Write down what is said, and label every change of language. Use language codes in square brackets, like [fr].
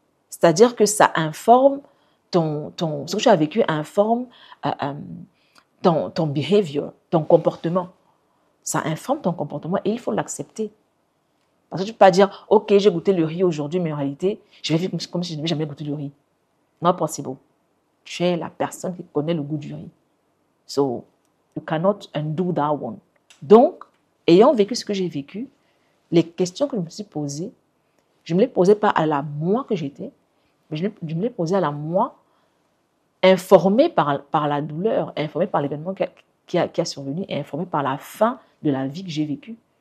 [fr] C'est-à-dire que ça informe ce que tu as vécu informe ton behavior, ton comportement. Ça informe ton comportement et il faut l'accepter. Parce que tu ne peux pas dire, OK, j'ai goûté le riz aujourd'hui, mais en réalité, je vais vivre comme si je n'avais jamais goûté le riz. [en] Not possible. [fr] Tu es la personne qui connaît le goût du riz. [en] So, you cannot undo that one. [fr] Donc, ayant vécu ce que j'ai vécu, les questions que je me suis posées, je ne me les posais pas à la moi que j'étais, mais je me les posais à la moi informé par la douleur, informé par l'événement qui a survenu et informé par la fin de la vie que j'ai vécue.